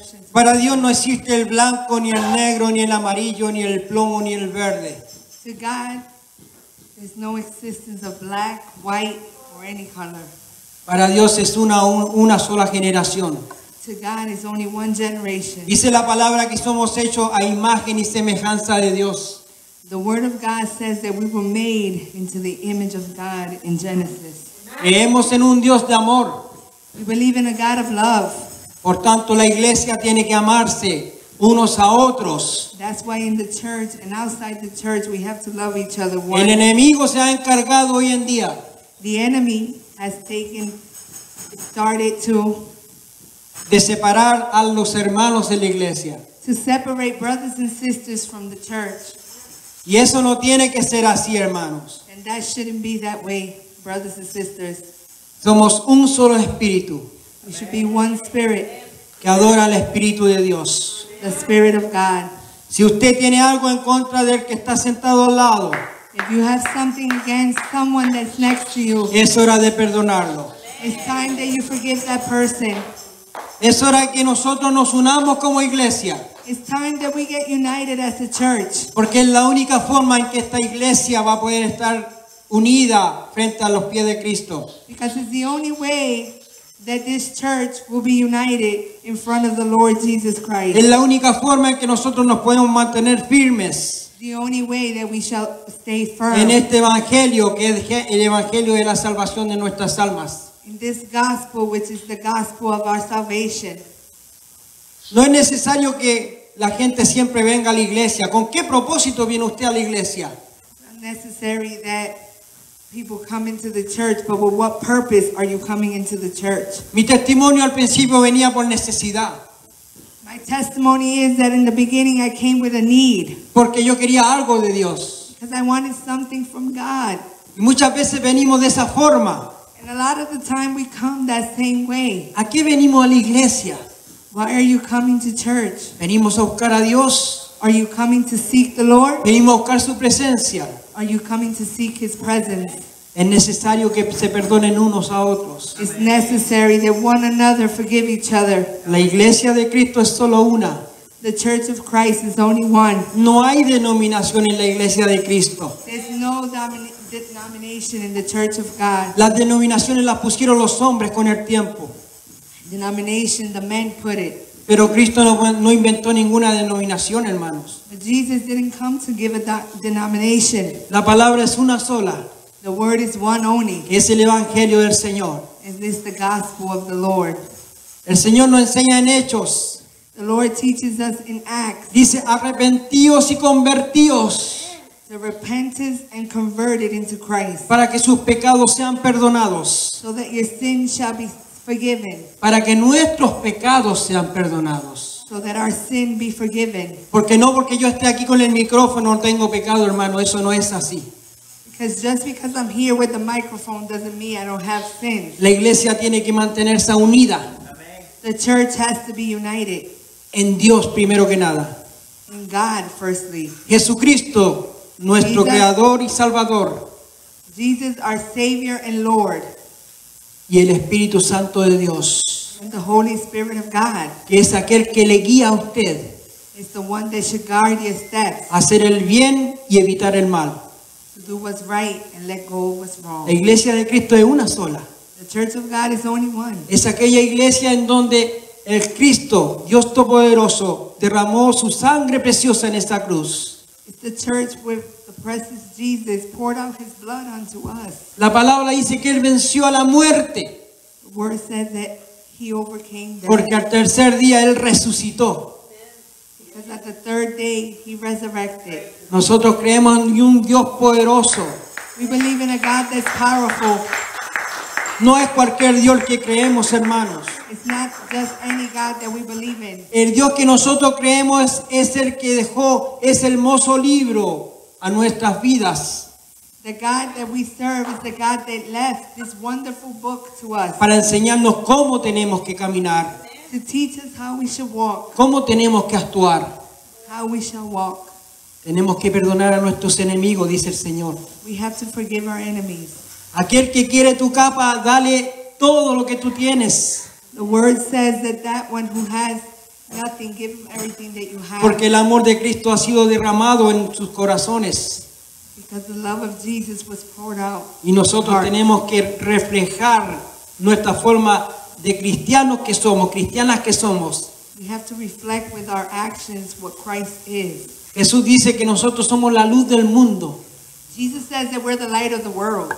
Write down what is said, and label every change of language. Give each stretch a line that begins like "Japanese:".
Spanish: Para Dios no existe el blanco, ni el negro, ni el amarillo, ni el plomo, ni el verde.
English: To God, there's no existence of black, white, or any color.
Spanish: Para Dios es una sola generación.
English: To God is only one generation.
Spanish: Dice la palabra que somos hechos a imagen y semejanza de Dios.
English: The word of God says that we were made into the image of God in Genesis.
Spanish: Creemos en un Dios de amor.
English: We believe in a God of love.
Spanish: Por tanto, la iglesia tiene que amarse unos a otros.
English: That's why in the church and outside the church we have to love each other.
Spanish: El enemigo se ha encargado hoy en día.
English: The enemy has taken started to
Spanish: de separar a los hermanos de la iglesia.
English: To separate brothers and sisters from the church.
Spanish: Y eso no tiene que ser así, hermanos.
English: And that shouldn't be that way, brothers and sisters.
Spanish: Somos un solo espíritu.
English: We should be one spirit.
Spanish: Que adora al Espíritu de Dios.
English: The Spirit of God.
Spanish: Si usted tiene algo en contra del que está sentado al lado,
English: if you have something against someone that's next to you,
Spanish: es hora de perdonarlo.
English: It's time that you forgive that person.
Spanish: Es hora que nosotros nos unamos como iglesia.
English: It's time that we get united as a church.
Spanish: Porque es la única forma en que esta iglesia va a poder estar unida frente a los pies de Cristo.
English: Because it's the only way that this church will be united in front of the Lord Jesus Christ.
Spanish: Es la única forma en que nosotros nos podemos mantener firmes.
English: The only way that we shall stay firm.
Spanish: En este evangelio, que es el evangelio de la salvación de nuestras almas.
English: In this gospel, which is the gospel of our salvation.
Spanish: No es necesario que la gente siempre venga a la iglesia. ¿Con qué propósito viene usted a la iglesia?
English: Not necessary that people come into the church, but with what purpose are you coming into the church?
Spanish: Mi testimonio al principio venía por necesidad.
English: My testimony is that in the beginning I came with a need.
Spanish: Porque yo quería algo de Dios.
English: Because I wanted something from God.
Spanish: Y muchas veces venimos de esa forma.
English: And a lot of the time we come that same way.
Spanish: ¿A qué venimos a la iglesia?
English: Why are you coming to church?
Spanish: Venimos a buscar a Dios.
English: Are you coming to seek the Lord?
Spanish: Venimos a buscar su presencia.
English: Are you coming to seek His presence?
Spanish: Es necesario que se perdonen unos a otros.
English: It's necessary that one another forgive each other.
Spanish: La iglesia de Cristo es solo una.
English: The Church of Christ is only one.
Spanish: No hay denominación en la iglesia de Cristo.
English: There's no denomination in the Church of God.
Spanish: Las denominaciones las pusieron los hombres con el tiempo.
English: Denomination, the men put it.
Spanish: Pero Cristo no inventó ninguna denominación, hermanos.
English: But Jesus didn't come to give a denomination.
Spanish: La palabra es una sola.
English: The word is one only.
Spanish: Es el evangelio del Señor.
English: And this is the gospel of the Lord.
Spanish: El Señor nos enseña en Hechos.
English: The Lord teaches us in Acts.
Spanish: Dice, arrepentíos y convertíos.
English: To repent and convert it into Christ.
Spanish: Para que sus pecados sean perdonados.
English: So that your sins shall be forgiven.
Spanish: Para que nuestros pecados sean perdonados.
English: So that our sin be forgiven.
Spanish: Porque no porque yo esté aquí con el micrófono no tengo pecado, hermano. Eso no es así.
English: Because just because I'm here with the microphone doesn't mean I don't have sin.
Spanish: La iglesia tiene que mantenerse unida.
English: The church has to be united.
Spanish: En Dios primero que nada.
English: In God firstly.
Spanish: Jesucristo, nuestro Jesus, creador y salvador.
English: Jesus, our Savior and Lord.
Spanish: Y el Espíritu Santo de Dios.
English: And the Holy Spirit of God.
Spanish: Que es aquel que le guía a usted.
English: It's the one that should guard your steps.
Spanish: Hacer el bien y evitar el mal.
English: To do what's right and let go of what's wrong.
Spanish: La iglesia de Cristo es una sola.
English: The Church of God is only one.
Spanish: Es aquella iglesia en donde el Cristo, Dios Todopoderoso, derramó su sangre preciosa en esta cruz.
English: It's the church where the precious Jesus poured out his blood unto us.
Spanish: La palabra dice que él venció a la muerte.
English: The word says that he overcame death.
Spanish: Porque al tercer día él resucitó.
English: Because at the third day he resurrected.
Spanish: Nosotros creemos en un Dios poderoso.
English: We believe in a God that's powerful.
Spanish: No es cualquier Dios que creemos, hermanos.
English: It's not just any God that we believe in.
Spanish: El Dios que nosotros creemos es el que dejó ese hermoso libro a nuestras vidas.
English: The God that we serve is the God that left this wonderful book to us.
Spanish: Para enseñarnos cómo tenemos que caminar.
English: To teach us how we should walk.
Spanish: Cómo tenemos que actuar.
English: How we shall walk.
Spanish: Tenemos que perdonar a nuestros enemigos, dice el Señor.
English: We have to forgive our enemies.
Spanish: Aquel que quiere tu capa, dale todo lo que tú tienes.
English: The word says that that one who has nothing, give him everything that you have.
Spanish: Porque el amor de Cristo ha sido derramado en sus corazones.
English: Because the love of Jesus was poured out.
Spanish: Y nosotros tenemos que reflejar nuestra forma de cristianos que somos, cristianas que somos.
English: We have to reflect with our actions what Christ is.
Spanish: Jesús dice que nosotros somos la luz del mundo.
English: Jesus says that we're the light of the world.